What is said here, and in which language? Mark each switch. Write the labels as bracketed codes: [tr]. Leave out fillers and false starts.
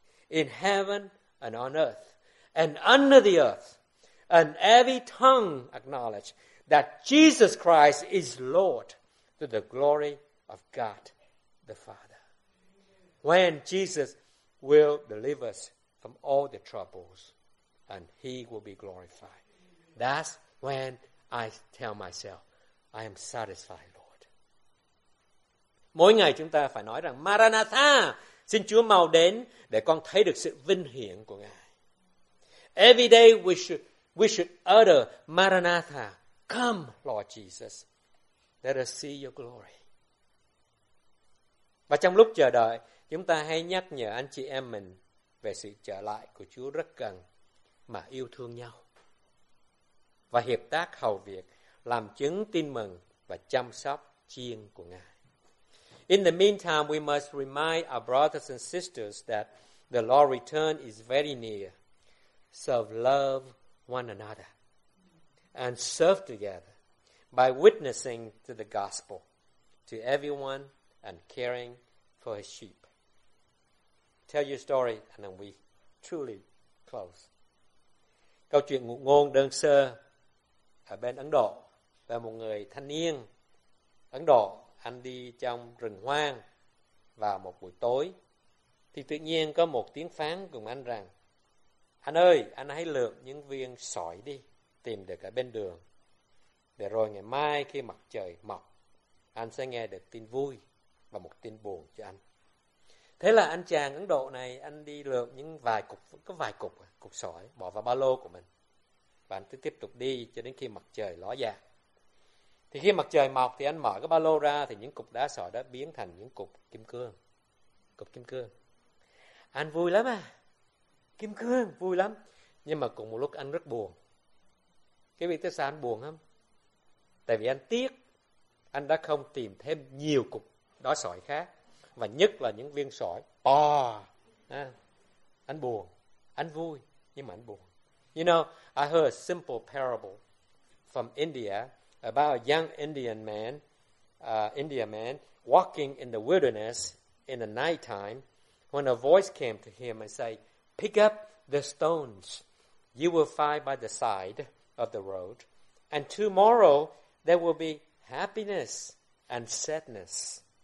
[en] In heaven and on earth and under the earth, and every tongue acknowledge that Jesus Christ is Lord to the glory of God the Father. When Jesus will deliver us from all the troubles and he will be glorified. That's when I tell myself, I am satisfied, Lord. [vi] Mỗi ngày chúng ta phải nói rằng Maranatha, xin Chúa mau đến để con thấy được sự vinh hiển của Ngài. [en] Every day we should utter Maranatha, come Lord Jesus, let us see your glory. [vi] Và trong lúc chờ đợi, chúng ta hay nhắc nhở anh chị em mình về sự trở lại của Chúa rất cần mà yêu thương nhau và hiệp tác hầu việc, làm chứng tin mừng và chăm sóc chiên của Ngài. [en] In the meantime, we must remind our brothers and sisters that the Lord's return is very near. So love one another and serve together by witnessing to the gospel to everyone and caring for his sheep. Tell your story and then we truly close. [vi] Câu chuyện ngụ ngôn đơn sơ ở bên Ấn Độ. Và một người thanh niên Ấn Độ, anh đi trong rừng hoang vào một buổi tối. Thì tự nhiên có một tiếng phán cùng anh rằng, anh ơi, anh hãy lượm những viên sỏi đi, tìm được ở bên đường. Để rồi ngày mai khi mặt trời mọc, anh sẽ nghe được tin vui và một tin buồn cho anh. Thế là anh chàng Ấn Độ này, anh đi lượm những vài cục, có vài cục, cục sỏi, bỏ vào ba lô của mình. Và anh cứ tiếp tục đi cho đến khi mặt trời ló dạng. Thì khi mặt trời mọc thì anh mở cái ba lô ra thì những cục đá sỏi đã biến thành những cục kim cương. Cục kim cương. Anh vui lắm à. Kim cương, vui lắm. Nhưng mà cùng một lúc anh rất buồn. Cái việc tại sao anh buồn không? Tại vì anh tiếc anh đã không tìm thêm nhiều cục đá sỏi khác. Và nhất là những viên sỏi to. À, anh buồn. Anh vui. Nhưng mà anh buồn. [en] You know, I heard a simple parable from India about a young Indian man walking in the wilderness in the night time when a voice came to him and said, pick up the stones you will find by the side of the road, and tomorrow there will be happiness and sadness.